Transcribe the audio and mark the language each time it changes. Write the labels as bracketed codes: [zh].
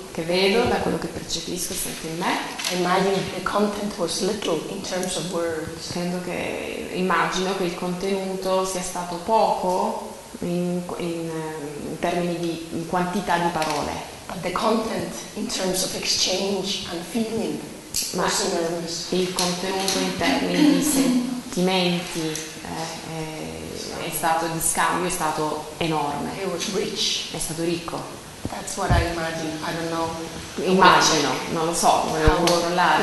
[it] Che vedo, da quello che percepisco, sento in me. [en] I imagine the content was little in terms of words. [it] Immagino che il contenuto sia stato poco in termini di in quantità di parole. [en] But the content in terms of exchange and feeling. [it] Ma il contenuto in termini di sentimenti è stato di scambio, è stato enorme. [en] It was rich. [it] È stato ricco. [en] That's what I imagine. I don't know. [it] Immagino, non lo so, volevo controllare.